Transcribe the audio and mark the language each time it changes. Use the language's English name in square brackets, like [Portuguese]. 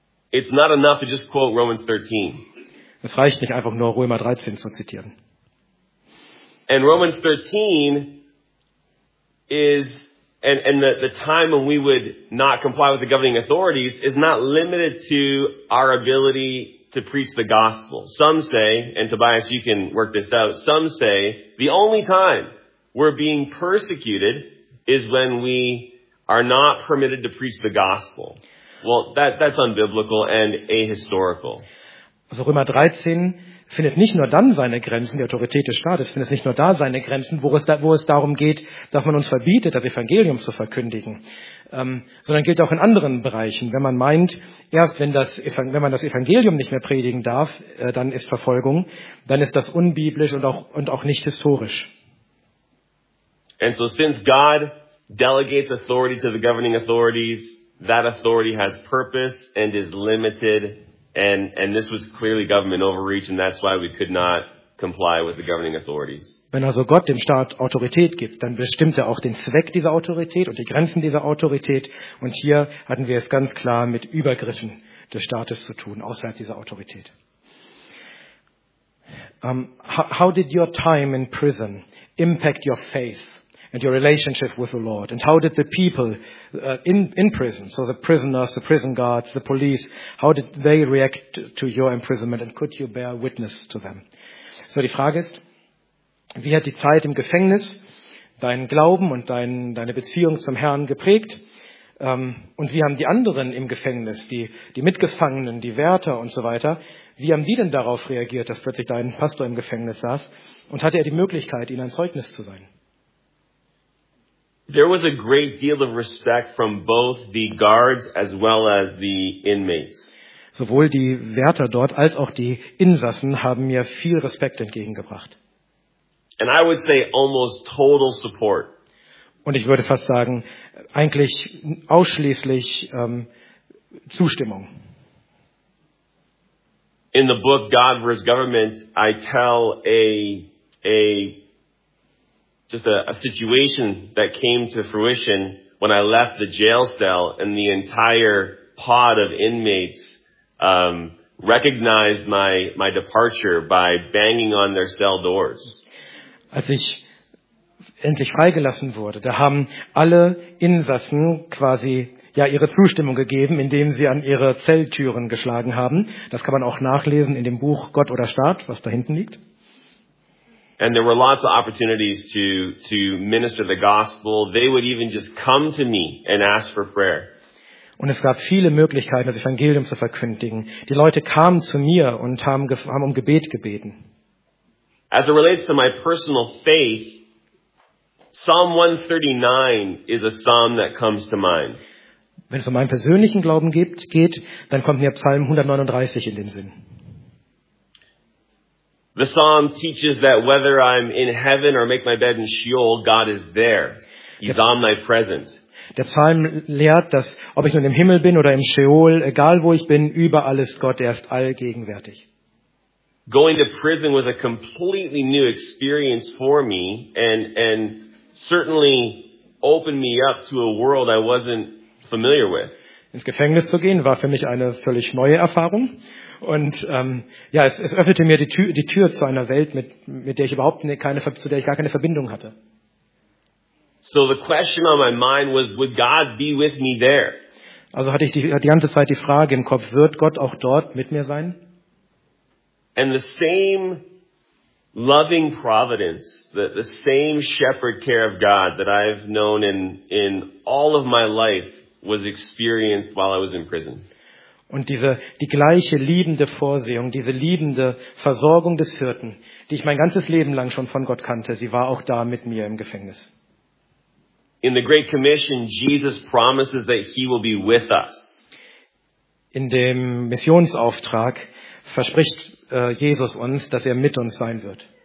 [English] It's not enough to just quote Romans 13. [German] Es reicht nicht einfach nur, Römer 13 zu zitieren. [English] And Romans 13 is, and the time when we would not comply with the governing authorities is not limited to our ability to preach the gospel. Some say, and Tobias, you can work this out, some say the only time we're being persecuted is when we are not permitted to preach the gospel. Well, that's unbiblical and ahistorical. [German] Also Römer 13 findet nicht nur dann seine Grenzen, die Autorität des Staates findet nicht nur da seine Grenzen, wo es darum geht, dass man uns verbietet, das Evangelium zu verkündigen, sondern gilt auch in anderen Bereichen. Wenn man meint, erst wenn man das Evangelium nicht mehr predigen darf, dann ist Verfolgung, dann ist das unbiblisch und auch nicht historisch. [English] And so since God delegates authority to the governing authorities, that authority has purpose and is limited. And this was clearly government overreach, and that's why we could not comply with the governing authorities. [German] Wenn also Gott dem Staat Autorität gibt, dann bestimmt er auch den Zweck dieser Autorität und die Grenzen dieser Autorität. Und hier hatten wir es ganz klar mit Übergriffen des Staates zu tun, außerhalb dieser Autorität. [English] How did your time in prison impact your faith and your relationship with the Lord? And how did the people in prison, so the prisoners, the prison guards, the police, how did they react to your imprisonment, and could you bear witness to them? [German] So die Frage ist, wie hat die Zeit im Gefängnis deinen Glauben und deine Beziehung zum Herrn geprägt? Und wie haben die anderen im Gefängnis, die Mitgefangenen, die Wärter und so weiter, wie haben die denn darauf reagiert, dass plötzlich dein Pastor im Gefängnis saß? Und hatte er die Möglichkeit, ihnen ein Zeugnis zu sein? [English] There was a great deal of respect from both the guards as well as the inmates. [German] Sowohl die Wärter dort als auch die Insassen haben mir viel Respekt entgegengebracht. [English] And I would say almost total support. [German] Und ich würde fast sagen, eigentlich ausschließlich Zustimmung. [English] In the book God vs. Government, I tell a just a situation that came to fruition when I left the jail cell and the entire pod of inmates recognized my departure by banging on their cell doors. [German] Als ich endlich freigelassen wurde, da haben alle Insassen quasi ja ihre Zustimmung gegeben, indem sie an ihre Zelltüren geschlagen haben. Das kann man auch nachlesen in dem Buch Gott oder Staat, was da hinten liegt. [English] And there were lots of opportunities to minister the gospel. They would even just come to me and ask for prayer. [German] Und es gab viele Möglichkeiten, das Evangelium zu verkündigen. Die Leute kamen zu mir und haben um Gebet gebeten. [English] As it relates to my personal faith, Psalm 139 is a psalm that comes to mind. [German] Wenn es um meinen persönlichen Glauben geht, dann kommt mir Psalm 139 in den Sinn. [English] The psalm teaches that whether I'm in heaven or make my bed in Sheol, God is there. He's omnipresent. [German] Der Psalm lehrt, dass ob ich nun im Himmel bin oder im Sheol, egal wo ich bin, überall ist Gott, er ist allgegenwärtig. [English] Going to prison was a completely new experience for me and certainly opened me up to a world I wasn't familiar with. [German] Ins Gefängnis zu gehen war für mich eine völlig neue Erfahrung und es öffnete mir die Tür zu einer Welt mit der ich gar keine Verbindung hatte. [English] So the question on my mind was, would God be with me there? [German] Also hatte ich die ganze Zeit die Frage im Kopf, wird Gott auch dort mit mir sein? [English] And the same loving providence, the same shepherd care of God that I've known in all of my life was experienced while I was in prison. [German] Und die gleiche liebende Vorsehung, diese liebende Versorgung des Hirten, die ich mein ganzes Leben lang schon von Gott kannte, sie war auch da mit mir im Gefängnis. [English] In the Great Commission, Jesus promises that he will be with us. [German] In dem Missionsauftrag verspricht Jesus uns, dass er mit uns sein wird.